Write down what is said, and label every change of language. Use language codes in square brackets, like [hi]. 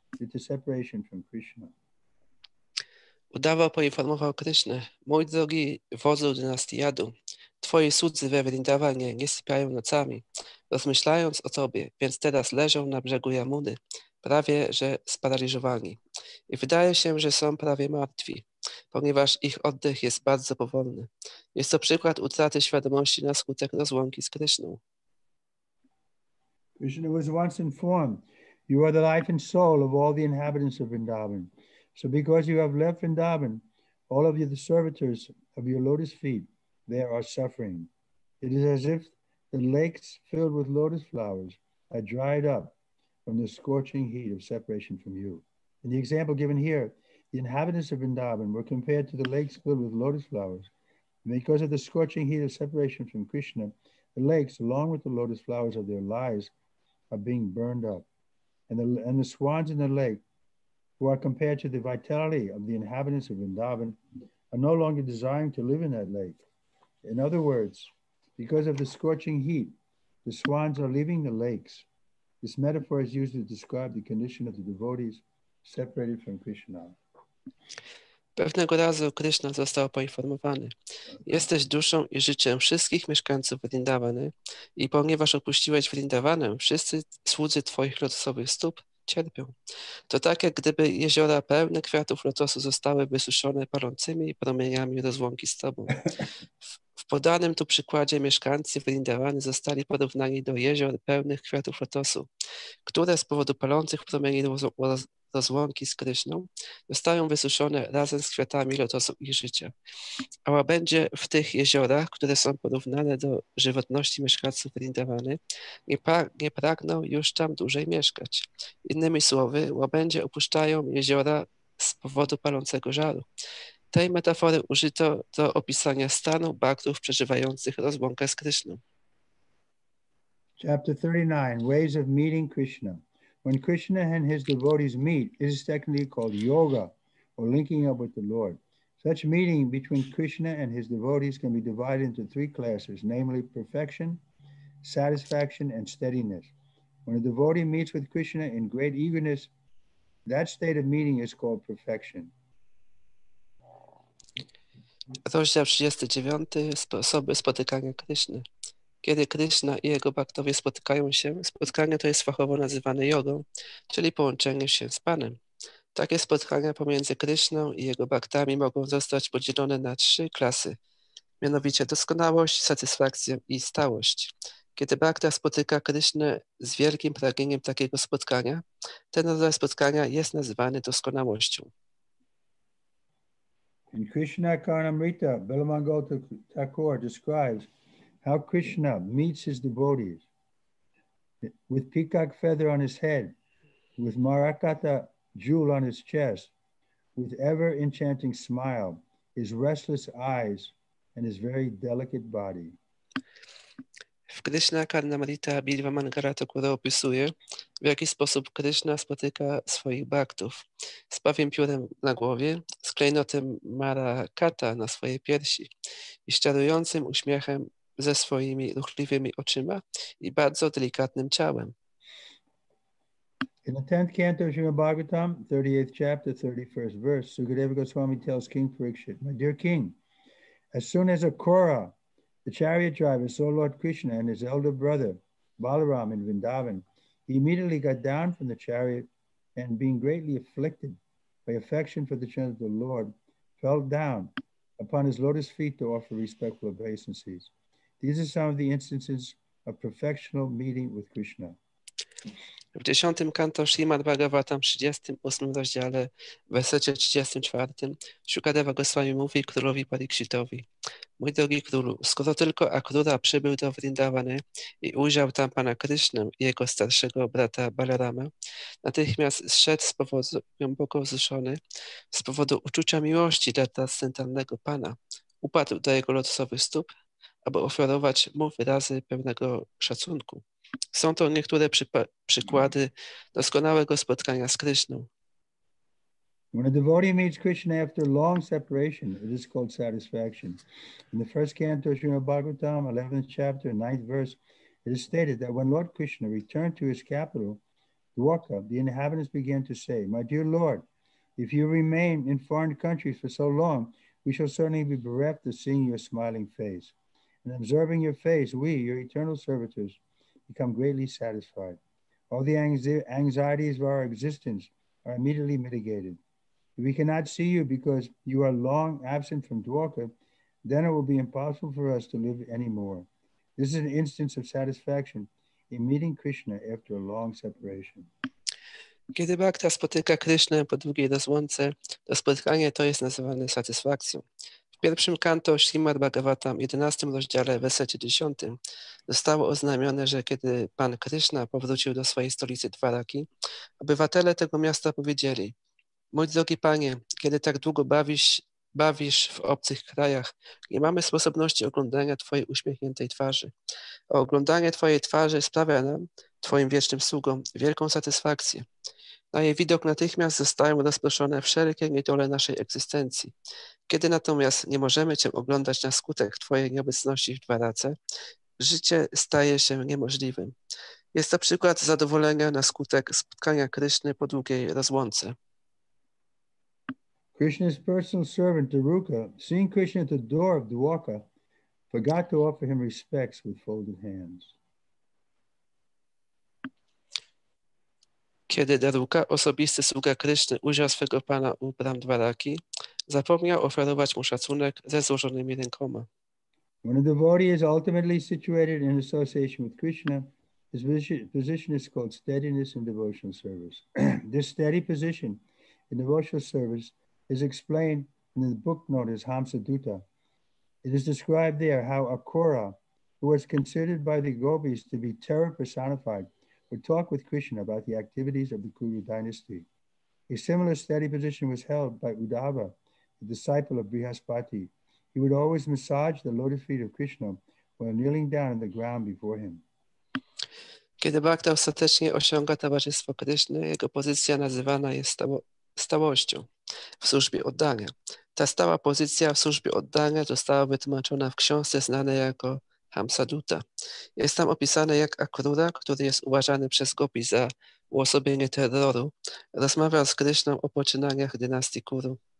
[en] due to separation from Krishna. [pl] Udawa poinformował Krishnę: mój drogi wodzu dynastii Jadu, twoi słudzy we Vrindavanie nie sypiają nocami, rozmyślając o tobie, więc teraz leżą na brzegu Jamuny, prawie że sparaliżowani. I wydaje się, że są prawie martwi, ponieważ ich oddech jest bardzo powolny. Jest to przykład utraty świadomości na skutek rozłąki z Krishną. [en] Krishna was once informed, you are the life and soul of all the inhabitants of Vrindavan. So because you have left Vrindavan, all of you, the servitors of your lotus feet, there are suffering. It is as if the lakes filled with lotus flowers are dried up from the scorching heat of separation from you. In the example given here, the inhabitants of Vrindavan were compared to the lakes filled with lotus flowers. And because of the scorching heat of separation from Krishna, the lakes, along with the lotus flowers of their lives, are being burned up. And the swans in the lake, who are compared to the vitality of the inhabitants of Vrindavan, are no longer desiring to live in that lake. In other words, because of the scorching heat, the swans are leaving the lakes. This metaphor is used to describe the condition of the devotees separated from Krishna. [pl] Pewnego razu Krishna został poinformowany: jesteś duszą i życiem wszystkich mieszkańców Vrindavany i ponieważ opuściłeś Vrindavanę, wszyscy słudzy twoich lotosowych stóp cierpią. To tak, jak gdyby jeziora pełne kwiatów lotosu zostały wysuszone palącymi promieniami rozłąki z tobą. W podanym tu przykładzie mieszkańcy Vrindavany zostali porównani do jezior pełnych kwiatów lotosu, które z powodu palących promieni rozłąki z Krishną zostają wysuszone razem z kwiatami lotosu ich życia. A łabędzie w tych jeziorach, które są porównane do żywotności mieszkańców Vrindavany, nie pragną już tam dłużej mieszkać. Innymi słowy, łabędzie opuszczają jeziora z powodu palącego żaru. Tej metafory użyto do opisania stanu bhaktów przeżywających rozłąkę z Krishną. [en] Chapter 39, Ways of Meeting Krishna. When Krishna and his devotees meet, it is technically called yoga, or linking up with the Lord. Such meeting between Krishna and his devotees can be divided into three classes, namely perfection, satisfaction, and steadiness. When a devotee meets with Krishna in great eagerness, that state of meeting is called perfection. [pl] Rozdział 39. Sposoby spotykania Krishna. Kiedy Krishna i jego bhaktowie spotykają się, spotkanie to jest fachowo nazywane jogą, czyli połączenie się z Panem. Takie spotkania pomiędzy Krishną i jego bhaktami mogą zostać podzielone na trzy klasy, mianowicie doskonałość, satysfakcję i stałość. Kiedy bhakta spotyka Krishnę z wielkim pragnieniem takiego spotkania, ten rodzaj spotkania jest nazywany doskonałością. [en] In Krishna Karnamrita, Bilwamangala Thakur describes how Krishna meets his devotees with peacock feather on his head, with Marakata jewel on his chest, with ever enchanting smile, his restless eyes, and his very delicate body. [pl] W Krishna Karnamrita Bilwamangala Thakura opisuje, w jaki sposób Krishna spotyka swoich bhaktów. Z pawim piórem na głowie, z klejnotem Marakata na swojej piersi i z czarującym uśmiechem ze swoimi ruchliwymi oczyma i bardzo delikatnym ciałem. [en] In the 10th canto of Srimad Bhagavatam, 38th chapter, 31st verse, Sukadeva Goswami tells King Parikshit, my dear king, as soon as Akura, the chariot driver, saw Lord Krishna and his elder brother, Balaram in Vrindavan, he immediately got down from the chariot and being greatly afflicted by affection for the children of the Lord, fell down upon his lotus feet to offer respectful obeisances. These are some of the instances of perfectional meeting with Krishna. [pl] W 10. kanto Srimad Bhagavatam, 38. rozdziale, wersecie 34, Shukadeva Goswami mówi królowi Parikshitowi: mój drogi królu, skoro tylko Akrura przybył do Vrindavany i ujrzał tam pana Krishnę i jego starszego brata Balarama, natychmiast zszedł z powodu głęboko wzruszony z powodu uczucia miłości dla transcendentalnego pana, upadł do jego lotosowych stóp, aby ofiarować mu wyrazy pewnego szacunku. Są to niektóre przykłady doskonałego spotkania z Krishną. [en] When a devotee meets Krishna after long separation, it is called satisfaction. In the first canto of Srimad Bhagavatam, 11th chapter, 9th verse, it is stated that when Lord Krishna returned to his capital, Dwarka, the inhabitants began to say, "My dear Lord, if you remain in foreign countries for so long, we shall certainly be bereft of seeing your smiling face. And observing your face, we, your eternal servitors, become greatly satisfied. All the anxieties of our existence are immediately mitigated. If we cannot see you because you are long absent from Dwarka, then it will be impossible for us to live anymore. This is an instance of satisfaction in meeting Krishna after a long separation." [pl] Kiedy Bhakta spotyka Krishnę po drugiej dosłonce, to spotkanie to jest nazywane satysfakcją. W pierwszym kanto Śrimad Bhagavatam, 11 rozdziale, wersecie 10, zostało oznajmione, że kiedy Pan Krishna powrócił do swojej stolicy Dwaraki, obywatele tego miasta powiedzieli: "Mój drogi Panie, kiedy tak długo bawisz w obcych krajach, nie mamy sposobności oglądania Twojej uśmiechniętej twarzy. Oglądanie Twojej twarzy sprawia nam, Twoim wiecznym sługom, wielką satysfakcję. Na jej widok natychmiast zostają rozproszone wszelkie niedole naszej egzystencji. Kiedy natomiast nie możemy Cię oglądać na skutek Twojej nieobecności w Dwarace, życie staje się niemożliwym. Jest to przykład zadowolenia na skutek spotkania Kryszny po długiej rozłące." [en] Krishna's personal servant, Daruka, seeing Krishna at the door of Dwarka, forgot to offer him respects with folded hands. [pl] Kiedy Daruka, osobisty sługa Kryszny, ujrzał swego pana u bram Dwaraki, zapomniał oferować mu szacunek ze złożonymi rękoma. [en] When a devotee is ultimately situated in association with Krishna, his position is called steadiness in devotional service. This steady position in devotional service is explained in the book known as Hamsa Dutta. It is described there how Akura, who was considered by the gopis to be terror personified, would talk with Krishna about the activities of the Kuru dynasty. A similar steady position was held by Uddhava, the disciple of Brihaspati. He would always massage the lotus feet of Krishna while kneeling down on the ground before him. [pl] Kiedy Bhakta ostatecznie osiąga towarzystwo Krishna, jego pozycja nazywana jest stałością w służbie oddania. Ta stała pozycja w służbie oddania została wytłumaczona w książce znanej jako Hamsa Dutta. Jest tam opisane, jak Akrura, który jest uważany przez gopi za uosobienie terroru, rozmawiał z Krishną o poczynaniach dynastii Kuru.